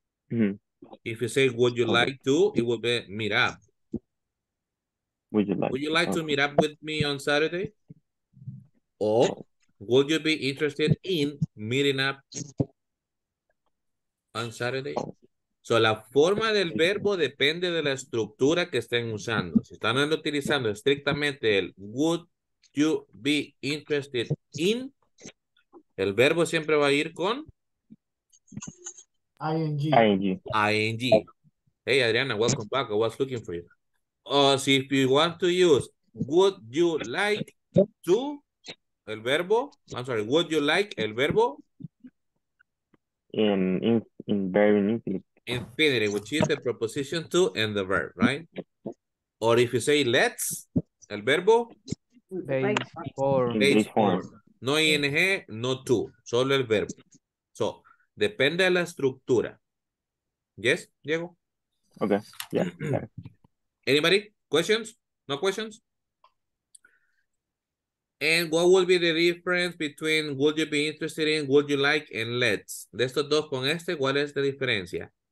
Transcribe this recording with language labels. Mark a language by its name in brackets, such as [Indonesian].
[English] Mm-hmm. If you say would you like to, it will be meet up. Would you like to meet up with me on Saturday? Or would you be interested in meeting up on Saturday? [Spanish] So la forma del verbo depende de la estructura que estén usando. Si están utilizando estrictamente el [English] would you be interested in, [Spanish] el verbo siempre va a ir con [English] ing. ING. Hey Adriana, welcome back. I was looking for you. So if you want to use would you like to, [Spanish] el verbo, [English] I'm sorry, would you like el verbo? In very infinitive. Infinity, which is the preposition to and the verb, right? Or if you say let's, [Spanish] el verbo? [English] Base form. [Spanish] No ing, no to, solo el verbo. So, depende de la estructura. [English] Yes, [Spanish] Diego? [English] Okay, yeah. Anybody? Questions? No questions? And what would be the difference between would you be interested in, would you like, and let's? [Spanish] De estos dos con este, ¿cuál es la diferencia?